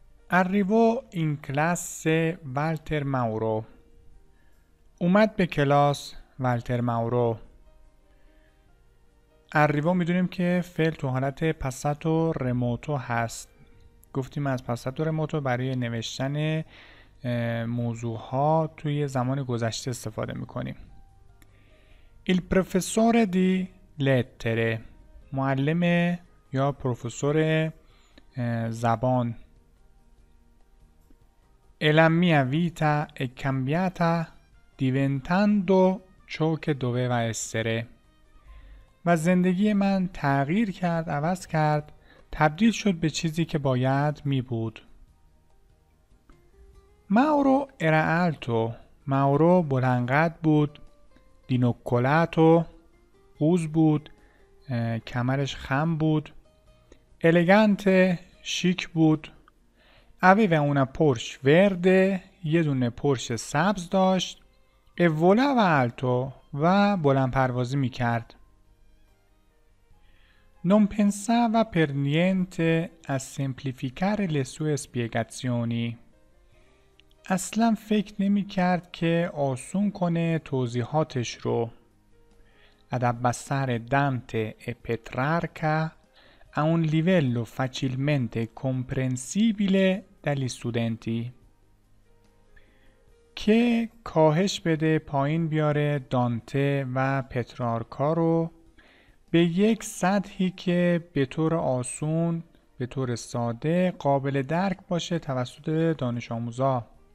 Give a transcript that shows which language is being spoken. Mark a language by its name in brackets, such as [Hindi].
[Italian] Arrivò in classe Walter Mauro. [Persian] اومد به کلاس والتر ماورو. Arrivò میدونیم که فعل تو حالت پساتو رموتو هست. گفتیم از پساتو رموتو برای نوشتن موضوعها توی زمان گذشته استفاده میکنیم. [Italian] Il professore di lettere. [Persian] معلم یا پروفسور زبان. [Italian] E la mia vita è cambiata diventando ciò che doveva essere. [Persian] و زندگی من تغییر کرد، عوض کرد، تبدیل شد به چیزی که باید می بود. [Italian] Mauro era alto. [Persian] Mauro بلندقد بود. دینوکولاتو قوز بود. کمرش خم بود. Elegante شیک بود. [Italian] Aveva una Porsche verde, [Persian] یه دونه پورش سبز داشت. [Italian] E volava alto [Persian] و بلند پروازی می کرد. [Italian] Non pensava per niente a semplificare le sue spiegazioni. [Persian] اصلا فکر نمی کرد که آسون کنه توضیحاتش رو. [Italian] Ad abbassare Dante e Petrarca a un livello facilmente comprensibile dagli studenti. [Persian] که کاهش بده، پایین بیاره دانته و پترارکا رو به یک سطحی که به طور آسون، به طور ساده، قابل درک باشه توسط دانش آموزا.